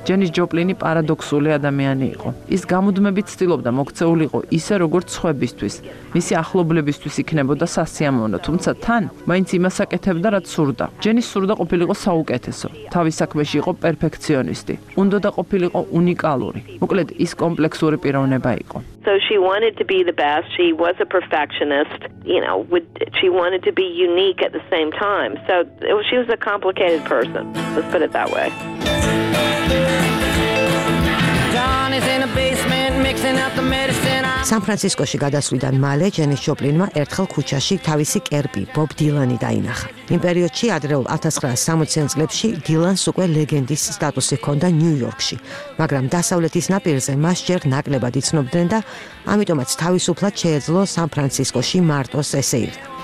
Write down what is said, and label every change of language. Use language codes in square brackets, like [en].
[ka] ჯენის ჯოპლინი პარადოქსული ადამიანი იყო. ის გამუდმებით ცდილობდა მოქცეულიყო ისე, როგორც სხვებისთვის. მისი ახლობლებისთვის იქნებოდა სასიამოვნო, თუმცა თან მაინც იმას აკეთებდა, რაც სურდა. ჯენის სურდა ყოფილიყო საუკეთესო, თავის საქმეში იყო პერფექციონისტი, უნდოდა ყოფილიყო უნიკალური. მოკლედ, ის კომპლექსური პიროვნება იყო. [en] So she wanted to be the best. She was a perfectionist, you know, she wanted to be unique at the same time. So she was a complicated person. Let's put it that way. John is in a basement mixing up the medicine. [ka] San Francisco-ში გადასვლიდან მალე ჯენის ჯოპლინმა ერთხელ ქუჩაში თავისი კერპი ბობ დილანი დაინახა. იმ პერიოდში, ადრეულ 1960-იან წლებში, დილანს უკვე ლეგენდის სტატუსი ჰქონდა ნიუ-იორკში, მაგრამ დასავლეთის ნაპირზე მას ჯერ ნაკლებად იცნობდნენ და ამიტომაც თავისუფლად შეეძლო სან ფრანცისკოში მარტოს ესე ირნა.